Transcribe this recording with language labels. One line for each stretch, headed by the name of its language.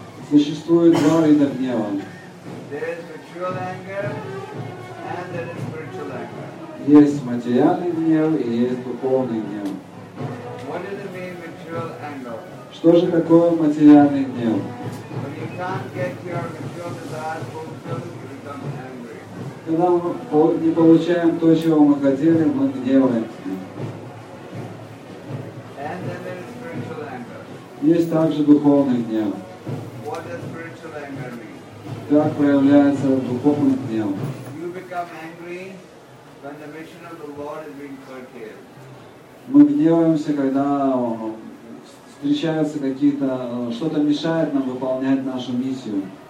Russian: Существует два вида гнева.
English: There is material anger and there is spiritual anger.
Russian: Есть материальный гнев и есть духовный гнев.
English: What does it mean, material anger?
Russian: Что же такое материальный гнев?
English: When you can't get your material desire fulfilled, you become angry.
Russian: Когда мы не получаем то, чего мы хотели, мы гневаемся.
English: And then there is spiritual anger.
Russian: Есть также духовный гнев.
English: What does spiritual anger mean?
Russian: Как проявляется духовный гнев?
English: You become angry when the mission of the Lord is being curtailed.
Russian: Мы гневаемся, когда встречаются какие-то, что-то мешает нам выполнять нашу миссию.